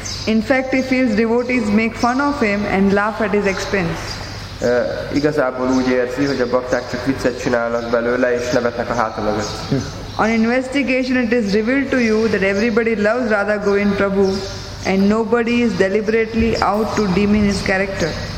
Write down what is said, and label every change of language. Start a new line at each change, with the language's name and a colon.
English: In fact, he feels devotees make fun of him and laugh at his expense.
Hungarian: Igazából úgy érzi, hogy a bakták csak viccet csinálnak belőle és nevetnek a háta mögött.
English: On investigation, it is revealed to you that everybody loves Radha Govind Prabhu and nobody is deliberately out to demean his character.